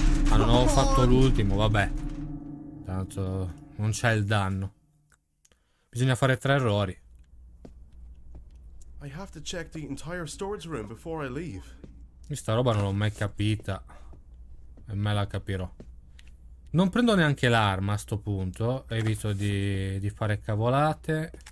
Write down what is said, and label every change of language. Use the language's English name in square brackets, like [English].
[Italian] Ah, non ho fatto l'ultimo, vabbè. Tanto non c'è il danno. Bisogna fare tre errori. [English] I have to check the entire storage room before I leave. [Italian] Questa roba non l'ho mai capita. E me la capirò. Non prendo neanche l'arma a sto punto. Evito di fare cavolate.